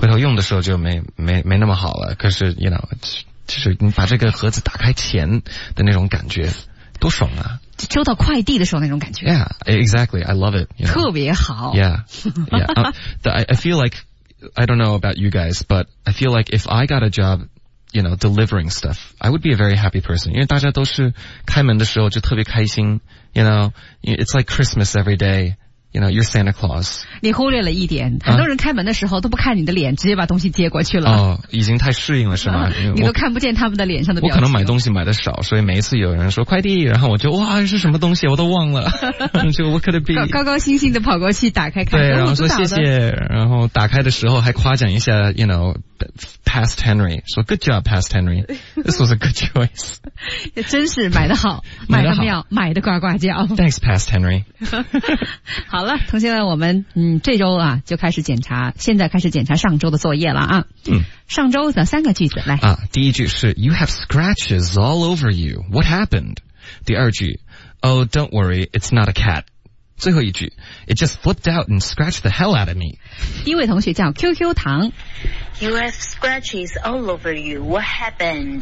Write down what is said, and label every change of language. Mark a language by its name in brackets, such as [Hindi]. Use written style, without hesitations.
[Chinese] 回头用的时候就没那么好了可是 [English] you know [Chinese] 就是你把这个盒子打开前的那种感觉多爽啊收到快递的时候那种感觉 [English] yeah exactly I love it you know? [Chinese] 特别好 [English] yeah, yeah. I feel like I don't know about you guys but I feel like if I got a jobYou know, delivering stuff. I would be a very happy person. [Chinese] 因为大家都是开门的时候就特别开心 [English] You know, it's like Christmas every day. You know, you're Santa Claus. [Chinese] 你忽略了一点、啊、很多人开门的时候都不看你的脸直接把东西接过去了。哦，已经太适应了是吗、啊、你都看不见他们的脸上的表情。我可能买东西买的少所以每一次有人说快递然后我就哇是什么东西我都忘了。 [English] 就 what could it be? [Chinese] 高高兴兴的跑过去打开看。对然后说谢谢然后打开的时候还夸奖一下 [English] you know,Past Henry 说 Good job Past Henry This was a good choice [Chinese] 也真是买得好买得妙买得呱呱叫 [English] Thanks Past Henry [Chinese] 好了同学们我们这周啊就开始检查现在开始检查上周的作业了啊、嗯、上周的三个句子来啊，第一句是 [English] You have scratches all over you What happened [Chinese] 第二句 [English] Oh don't worry It's not a cat [Chinese] 最后一句 [English] It just flipped out and scratched the hell out of me [Chinese] 第一位同学叫 QQ 糖 [English] You have scratches all over you. What happened?